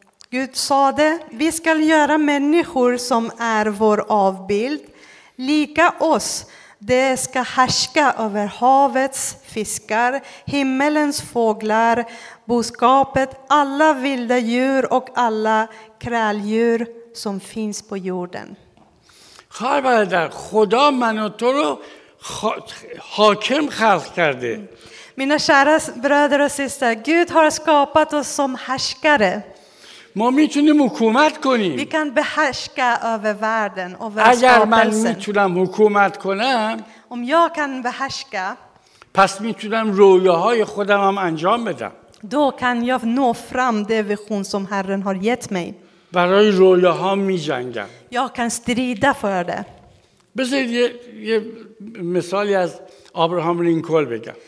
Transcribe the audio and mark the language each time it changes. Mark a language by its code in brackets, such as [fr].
[sv] Gud sade, vi ska göra människor som är vår avbild, lika oss. De ska härska över havets fiskar, himmelens fåglar, boskapet, alla vilda djur och alla kräldjur som finns på jorden. [fa] Kärbarader, خدا من و تو رو حاکم خلق کرده. [sv] Mina kära bröder och systrar, Gud har skapat oss som härskare. [fa] ما میتونیم حکومت کنیم. [sv] Vi kan behärska över världen och över [fa] skapelsen. اگر من میتونم حکومت کنم. [sv] Om jag kan behärska. [fa] پس میتونم رویاهای خودم هم انجام بدم. [sv] Då kan jag nå fram det vision som Herren har gett mig. [fa] برای رویاها می جنگم. [sv] Jag kan strida för det. [fa] بذار یه مثالی از ابراهام لینکلن بگم.